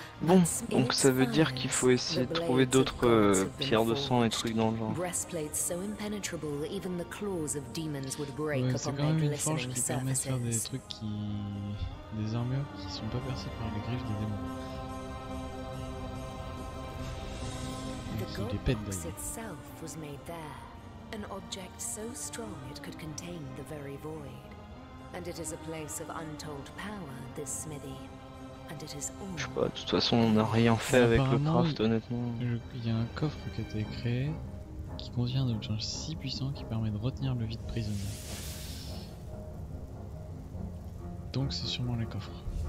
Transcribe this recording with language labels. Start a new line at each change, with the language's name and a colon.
French: Bon, donc ça veut dire qu'il faut essayer de trouver d'autres pierres de sang et trucs dans le genre.
English: Breastplates so impenetrable even the claws of demons would break upon their glistening surfaces.
French: Ça permet de faire des trucs qui des armures qui sont pas percées par les griffes des démons.
English: Itself was made there, an object so strong it could contain the very void, and it is a place of untold power, this smithy. And it is all.
French: Je sais pas, de toute façon, on n'a rien fait avec le craft, honnêtement. Il y a un coffre qui a été créé qui contient un objet si puissant qui permet de retenir le vide prisonnier. Donc, c'est sûrement les coffres.